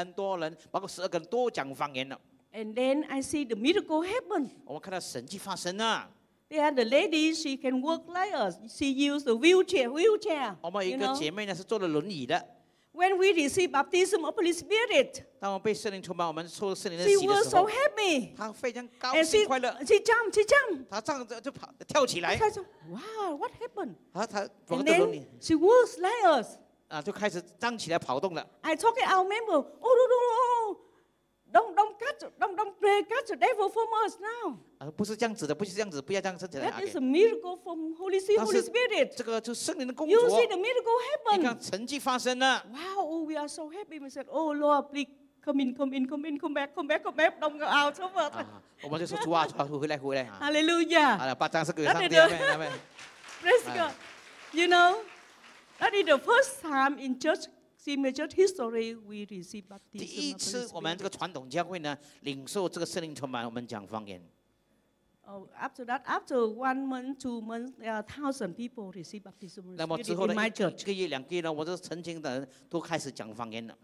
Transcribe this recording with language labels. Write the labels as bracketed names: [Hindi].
[Chinese] 那么呢，我就不断祷告又哭泣，那么发现很多人，包括12个人都讲方言了。 [English] And then I see the miracle happen. [Chinese] 我们看到神迹发生了。 [English] There the lady, she can walk like us. She used the wheelchair. [Chinese] 我们一个姐妹呢是坐了轮椅的。 [English] When we receive baptism of the Holy Spirit, [Chinese] 当我们被圣灵充满，我们受圣灵的洗的时候， [English] she was so happy. [Chinese] 她非常高兴快乐。 [English] And she jump. [Chinese] 她这样子就跑跳起来。 [English] Wow, what happened? [Chinese] 她转个轮椅。 [English] And then she walks like us. [Chinese] 就开始站起来跑动了。 [English] I talk to our member. Oh, no, no, no. Don't pray, catch the devil from us now. [Chinese] 不是这样子的，不是这样子，不要这样子。 [English] That is a miracle from Holy Spirit. [Chinese] 这个就圣灵的工作。 [English] You see the miracle happen. [Chinese] 你看神迹发生了。 [English] Wow, oh, we are so happy. We said, "Oh Lord, please come in, come back. Don't go out of us." [Chinese] 我们就说主啊，回来。 [English] Hallelujah. [Chinese] 把掌声给上帝，阿门。 [English] Praise God. You know, that is the first time in church. See, major history, we receive baptism. [Chinese] 第一次，我们这个传统教会呢，领受这个圣灵充满，我们讲方言。 [English] Oh, after that, after 1 month, 2 months, there are 1,000 people receive baptism. [Chinese] 那么之后呢, [English] in my church. [Chinese] 一个月两个月呢，我这曾经的人都开始讲方言了。